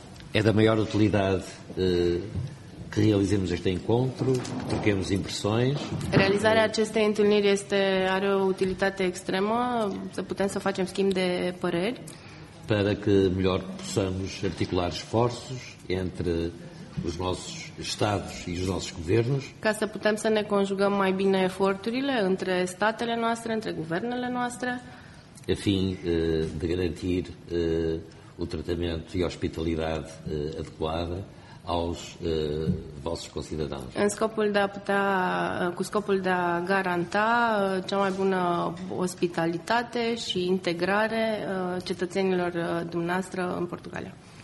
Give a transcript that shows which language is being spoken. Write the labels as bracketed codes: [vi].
[pt] É da maior utilidade que realizemos este encontro, troquemos impressões. [ro] Realizar aceste întâlniri este are o utilitate extremă, să putem să facem schimb de păreri. [pt] Para que melhor possamos articular esforços entre os nossos estados e os nossos governos. [ro] Ca să putem să ne conjugăm mai bine eforturile între statele noastre, între guvernele noastre. [pt] A fim de garantir o tratamento e a hospitalidade adequada aos vossos concidadãos. [ro] În scopul de a putea, cu scopul de a garanta cea mai bună ospitalitate și integrare cetățenilor dumneavoastră în Portugalia.